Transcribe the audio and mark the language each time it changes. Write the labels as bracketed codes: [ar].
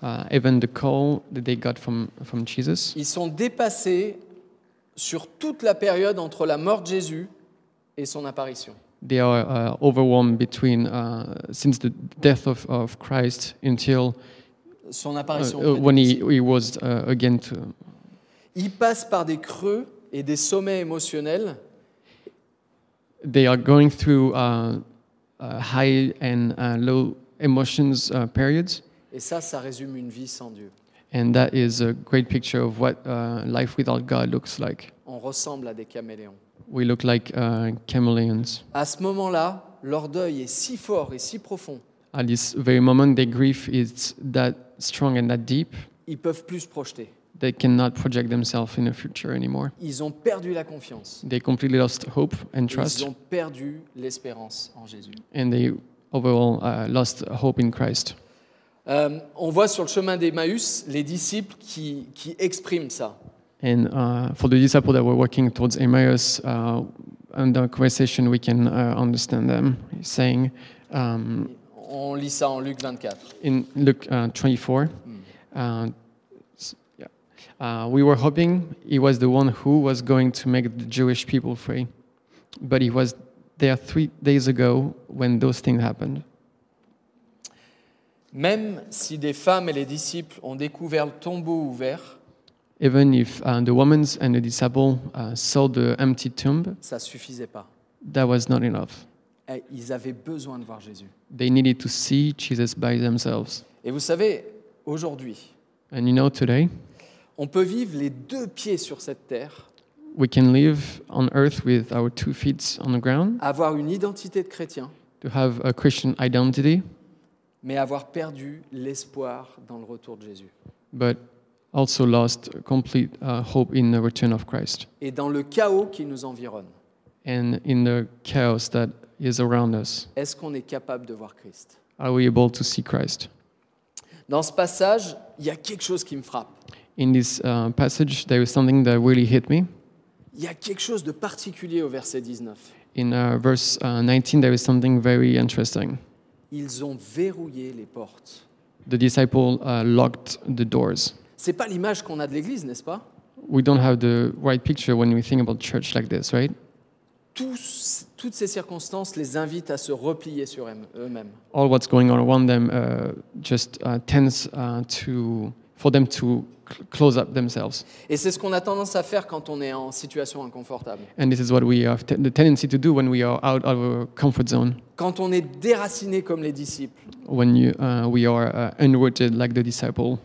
[en] even the call that they got from Jesus, [fr] ils sont dépassés sur toute la période entre la mort de Jésus et son apparition. [en] They are overwhelmed between since the death of Christ until [fr] son apparition [en] when he was again to. [fr] Ils passent par des creux et des sommets émotionnels. [en] They are going through high and low emotions periods. [fr] Et ça résume une vie sans Dieu. [en] And that is a great picture of what life without God looks like. [fr] On ressemble à des caméléons. [en] We look like chameleons. [fr] À ce moment-là, leur deuil est si fort et si profond. [en] At this very moment, their grief is that strong and that deep. [fr] Ils peuvent plus se projeter. [en] They cannot project themselves in the future anymore. [fr] Ils ont perdu la confiance. [en] They completely lost hope and trust. [fr] Ils ont perdu l'espérance en Jésus. [en] And they overall lost hope in Christ. [fr] On voit sur le chemin d'Emmaüs les disciples qui expriment ça. [en] And for the disciples that were walking towards Emmaüs, under conversation, we can understand them saying. [fr] on lit ça en Luc 24. [en] In Luke 24. We were hoping he was the one who was going to make the Jewish people free. But he was there 3 days ago when those things happened. [fr] Même si des femmes et les disciples ont découvert le tombeau ouvert, [en] even if the women and the disciples saw the empty tomb, [fr] ça suffisait pas. [en] That was not enough. [fr] Et ils avaient besoin de voir Jésus. [en] They needed to see Jesus by themselves. [fr] Et vous savez, aujourd'hui, [en] and you know, today, [fr] on peut vivre les deux pieds sur cette terre. [en] We can live on earth with our 2 feet on the ground. [fr] Avoir une identité de chrétien. [en] To have a Christian identity. [fr] Mais avoir perdu l'espoir dans le retour de Jésus. [en] But also lost complete hope in the return of Christ. [fr] Et dans le chaos qui nous environne. [en] And in the chaos that is around us. [fr] Est-ce qu'on est capable de voir Christ? [en] Are we able to see Christ? [fr] Dans ce passage, il y a quelque chose qui me frappe. [en] In this passage, there is something that really hit me. [fr] Il y a quelque chose de particulier au verset 19. [en] In verse 19, there is something very interesting. [fr] Ils ont verrouillé les portes. [en] The disciples locked the doors. [fr] C'est pas l'image qu'on a de l'église, n'est-ce pas? [en] We don't have the right picture when we think about church like this, right? [fr] Toutes ces circonstances les invitent à se replier sur eux-mêmes. [en] All what's going on around them just tends to for them to close up themselves. [fr] Et c'est ce qu'on a tendance à faire quand on est en situation inconfortable. [en] And this is what we have the tendency to do when we are out of our comfort zone. [fr] Quand on est déraciné comme les disciples. [en] When you, we are unrooted like the disciples.